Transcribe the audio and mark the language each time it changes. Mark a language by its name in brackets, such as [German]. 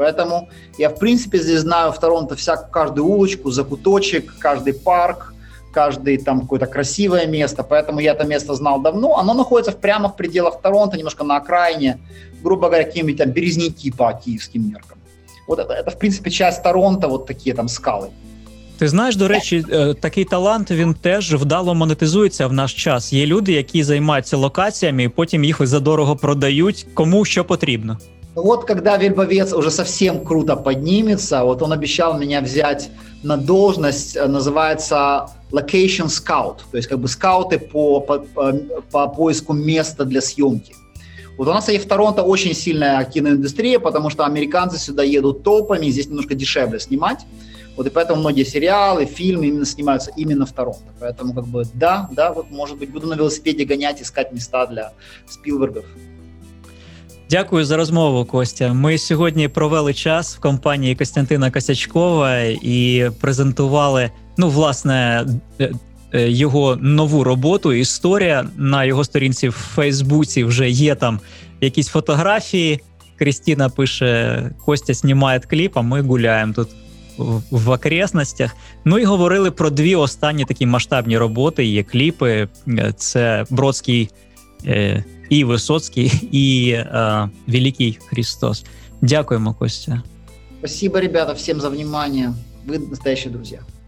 [Russian] Поэтому я, в принципе, здесь знаю в Торонто каждую улочку, закуточек, каждый парк, каждое там какое-то красивое место. Поэтому я это место знал давно. Оно находится прямо в пределах Торонто, немножко на окраине, грубо говоря, какие-нибудь там Березники по киевским меркам. Вот это, в принципе, часть Торонто, вот такие там скалы. [Ukrainian] Ти знаєш, до речі, такий талант, він теж вдало монетизується в наш час. Є люди, які займаються локаціями, і потім їх задорого продають. Кому що потрібно? От, коли Вельбовець вже зовсім круто підніметься, от він обіцяв мене взяти [Russian] на должность, [Ukrainian] називається Location Scout. [Russian] Тобто, как бы, скаути по поиску места для съемки. Вот у нас, кстати, в Торонто очень сильная киноиндустрия, потому что американцы сюда едут толпами, здесь немножко дешевле снимать. Вот и поэтому многие сериалы, фильмы именно снимаются именно в Торонто. Поэтому как бы да, да, вот может быть буду на велосипеде гонять, искать места для Спилбергов. [Ukrainian] Дякую за розмову, Костя. Ми сьогодні провели час в компанії Костянтина Косячкова і презентували, ну, власне, його нову роботу «Історія». На його сторінці в Фейсбуці вже є там якісь фотографії. Крістіна пише, Костя знімає кліп, а ми гуляємо тут [Russian] в окрестностях. [Ukrainian] Ну і говорили про дві останні такі масштабні роботи, є кліпи. Це Бродський і Висоцький, і Великий Христос. Дякуємо, Костя. [Russian] Спасибо, ребята, всім за внимание. [Ukrainian] Ви настоящі друзі.